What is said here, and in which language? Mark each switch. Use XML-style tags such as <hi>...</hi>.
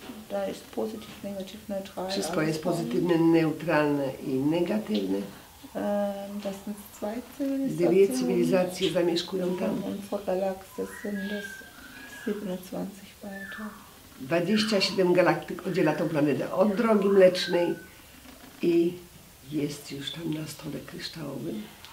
<de>Da ist positiv, negativ, neutral.</de> <pl>Wszystko jest pozytywne, neutralne i negatywne.</pl> <de>Das sind zwei Zivilisationen.</de> <pl>Dwie cywilizacje zamieszkują tam.</pl> <de>Unsere Galaxie sind es 27 weiter.</de> <pl>27 galaktyk oddziela tą planetę od Drogi Mlecznej i jest już tam na stole kryształowym.</pl>